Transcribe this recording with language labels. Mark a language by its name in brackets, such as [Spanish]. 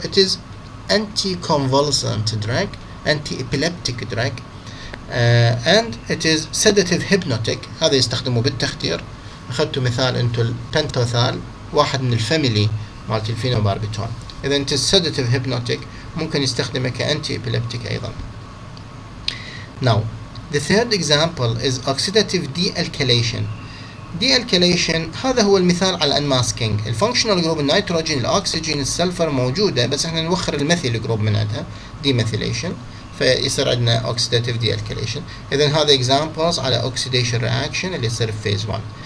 [English] It is anti-convulsant drug, anti-epileptic drug, and it is sedative hypnotic. [Arabic] هذا يستخدموه بالتخدير. أخذتوا مثال أنتوا البنتوثال، واحد من الفاميلي مالت الفينوباربيتال. إذا [English] it is sedative hypnotic [Arabic] ممكن يستخدمه كأنتي-epileptic أيضا. [English] Now, the third example is oxidative de-alkylation. [Arabic] دي الكيليشن هذا هو المثال على الانماسكينج. الفانكشنال جروب النيتروجين الاكسجين السلفر موجوده بس احنا نوخر الميثيل جروب من عندها دي ميثيليشن فيصير عندنا اوكسيداتيف دي الكيليشن. اذا هذا اكزامبلز على اوكسيديشن رياكشن اللي يصير في فيز 1.